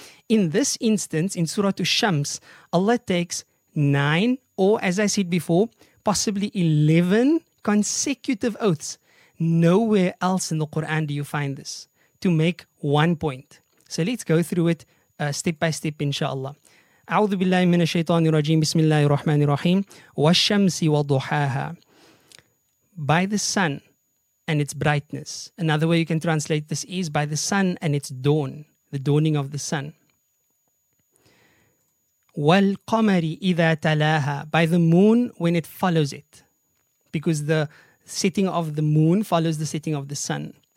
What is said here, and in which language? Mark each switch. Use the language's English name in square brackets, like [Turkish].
[English] In this instance, in Surah Ash-Shams, Allah takes 9, or as I said before, possibly 11 consecutive oaths. Nowhere else in the Quran do you find this, to make one point. So let's go through it step by step, inshallah. [Arabic] أعوذ بالله من الشيطان الرجيم بسم الله الرحمن الرحيم والشمس وضحاها. [English] By the sun and its brightness. Another way you can translate this is by the sun and its dawn, the dawning of the sun. [Arabic] والقمر إذا تلاها. [English] By the moon when it follows it. Because the setting of the moon follows the setting of the sun.